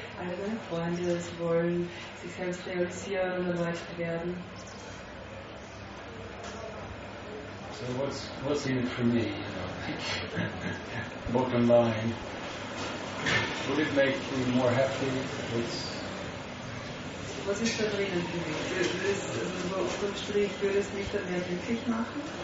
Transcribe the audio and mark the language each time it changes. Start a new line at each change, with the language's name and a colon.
German: Alle meine Freunde, sie wollen sich selbst realisieren und erleuchtet werden.
English: So what's in it for me, you know, like, bottom line, would it make me more happy if it's...
German: Was ist da drinnen für mich? Unterm Strich, würde es mich dann mehr glücklich machen?